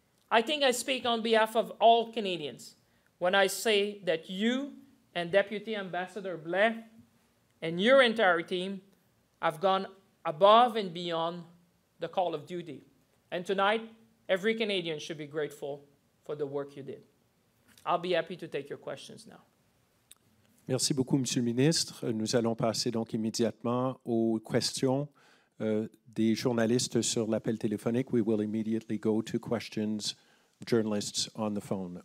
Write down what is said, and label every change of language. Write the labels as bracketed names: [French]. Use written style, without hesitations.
[English] I think I speak on behalf of all Canadians when I say that you and Deputy Ambassador Blais and your entire team have gone above and beyond the call of duty. And tonight, every Canadian should be grateful for the work you did. I'll be happy to take your questions now. [French] Merci beaucoup, Monsieur le Ministre. Nous allons passer donc immédiatement aux questions des journalistes sur l'appel téléphonique. [English] We will immediately go to questions journalists on the phone.